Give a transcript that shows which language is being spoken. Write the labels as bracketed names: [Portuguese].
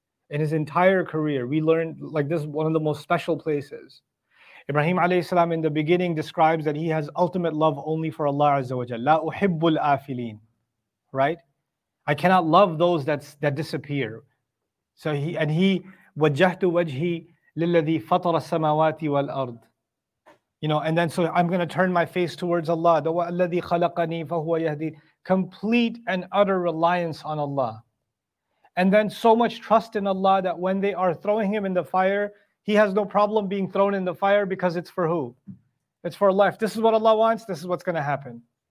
[English] In his entire career, we learn, like, this is one of the most special places. Ibrahim alayhi salam in the beginning describes that he has ultimate love only for Allah Azza wa Jalla. [Arabic] لا أحب الآفلين. [English] Right? I cannot love those that disappear. So he, [Arabic] وجهت وجهي للذي فطر السماوات والأرض. [English] You know, and then so I'm going to turn my face towards Allah. [Arabic] الذي خلقني فهو يهدي. [English] Complete and utter reliance on Allah. And then so much trust in Allah that when they are throwing him in the fire, he has no problem being thrown in the fire because it's for who? It's for life. This is what Allah wants. This is what's going to happen.